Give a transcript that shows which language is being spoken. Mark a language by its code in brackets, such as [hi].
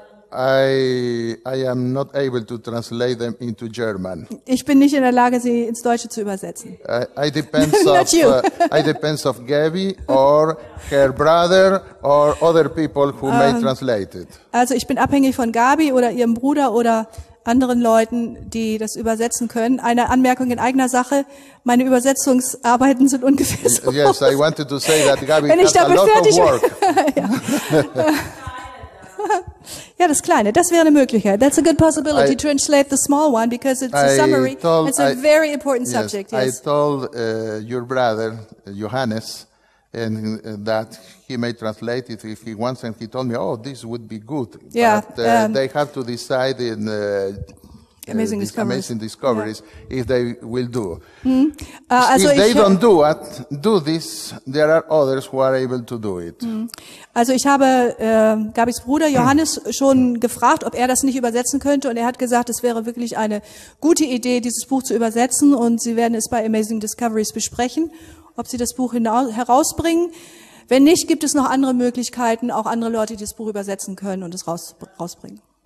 [en] I am not able to translate them into German. [de] Ich bin nicht in der Lage, sie ins Deutsche zu übersetzen. [en] I depends of you. I depends of Gabby or her brother or other people who may translate it. [de] Also ich bin abhängig von Gabi oder ihrem Bruder oder anderen Leuten, die das übersetzen können. Eine Anmerkung in eigener Sache: Meine Übersetzungsarbeiten sind ungefähr so. [en] Yes, I wanted to say that Gabi has a lot of work. [de] Ja, das Kleine, das wäre eine Möglichkeit. [en] That's a good possibility to translate the small one because it's a summary. Very important subject. Yes. I told your brother Johannes and that he may translate it if he wants, and he told me, oh, this would be good. Yeah, but they have to decide in Amazing Discoveries, yeah. If they will do. Mm. Also if they don't do this, there are others who are able to do it. [de] Also ich habe Gabis Bruder Johannes schon gefragt, ob er das nicht übersetzen könnte, und er hat gesagt, es wäre wirklich eine gute Idee, dieses Buch zu übersetzen, und sie werden es bei Amazing Discoveries besprechen, ob sie das Buch herausbringen. Wenn nicht, gibt es noch andere Möglichkeiten, auch andere Leute, die das Buch übersetzen können und es rausbringen.